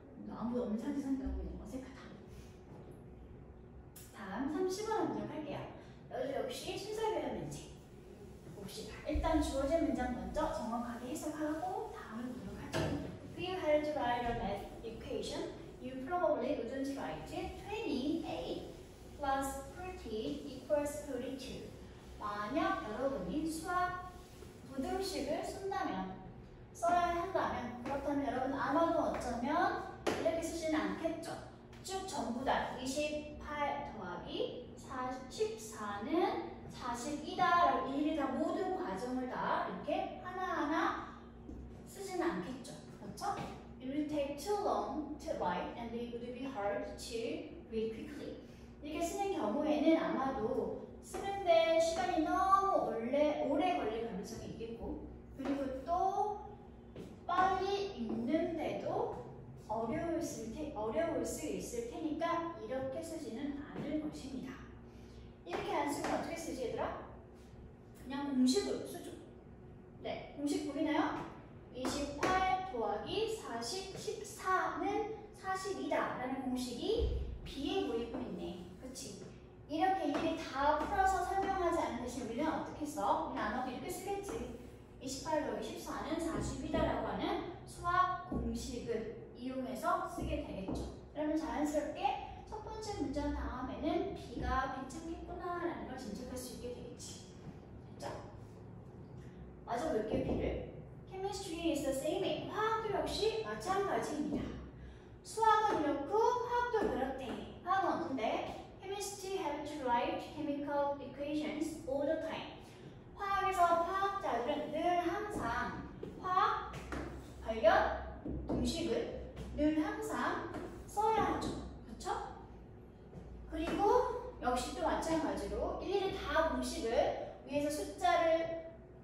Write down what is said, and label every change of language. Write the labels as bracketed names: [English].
[Korean] 아무도 없는 상태 생각하고 있는 거 어색하다. 다음 30번 문장 할게요. 여기 역시 순서별 문장 봅시다. 일단 주어진 문장 먼저 정확하게 해석하고 다음을 보도록 하죠. [English] If you had to write a math equation, you probably wouldn't write 28 plus 30 equals 32. [Korean] 만약 여러분이 수학 부등식을 쓴다면 써야 한다면 그렇다면 여러분 아마도 어쩌면 이렇게 쓰진 않겠죠. 쭉 전부 다 28 더하기 14는 42다 라고 일일이 다 모든 과정을 다 이렇게 하나하나 쓰진 않겠죠. 그렇죠? [English] It would take too long to write and it would be hard to read quickly. [Korean] 이렇게 쓰는 경우에는 아마도 쓰는데 시간이 너무 오래 걸릴 가능성이 있겠고 그리고 또 빨리 읽는데도 어려울 수 있을 테니까 이렇게 쓰지는 않을 것입니다. 이렇게 안 쓰면 어떻게 쓰지 얘들아? 그냥 공식으로 쓰죠. 네, 공식 보이나요? 28 더하기 40, 14는 42다 라는 공식이 B에 보이고 있네. 그치? 이렇게 이게 다 풀어서 설명하지 않는 대신 우리는 어떻게 써? 우리는 안 하고 이렇게 쓰겠지. 28 더하기 14는 42다 라고 하는 수학 공식을 이용해서 쓰게 되겠죠. 그러면 자연스럽게 첫 번째 문장 다음에는 B가 괜찮겠구나 라는 걸 짐작할 수 있게 되겠지. 됐죠? 마저 볼게요, B를. [English] Chemistry is the same. [Korean] 화학도 역시 마찬가지입니다. 수학은 이렇고 화학도 그렇대. 화학은 어떤데? [English] Chemistry have to write chemical equations all the time. [Korean] 화학에서 화학자들은 늘 항상 화학 관련 공식을 늘 항상 써야 하죠. 그렇죠? 그리고 역시 또 마찬가지로 일일이 다 공식을 위에서 숫자를